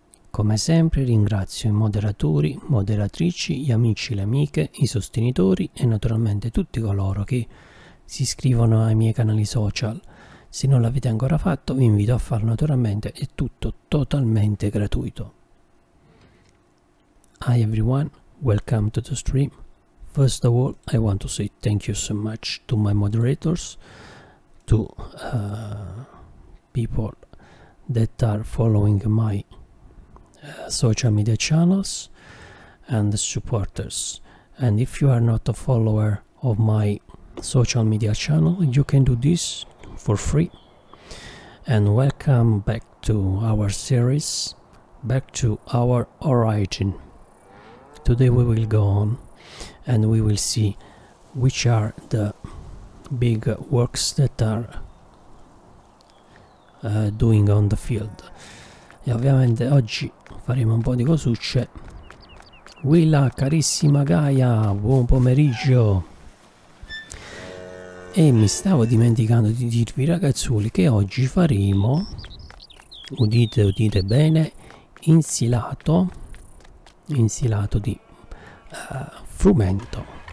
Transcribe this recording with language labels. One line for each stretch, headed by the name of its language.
Italian: Come sempre ringrazio i moderatori, moderatrici, gli amici e le amiche, i sostenitori e naturalmente tutti coloro che si iscrivono ai miei canali social. Se non l'avete ancora fatto, vi invito a farlo naturalmente, è tutto totalmente gratuito.
English: Hi everyone, welcome to the stream. First of all, I want to say thank you so much to my moderators, to people that are following my social media channels and the supporters. And if you are not a follower of my social media channel, you can do this for free. And welcome back to our series, back to our origin. Today we will go on and we will see which are the big works that are doing on the field.
Italian: E ovviamente oggi faremo un po' di cosucce. Willa, carissima Gaia, buon pomeriggio. E mi stavo dimenticando di dirvi, ragazzuoli, che oggi faremo, udite udite bene, insilato di frumento.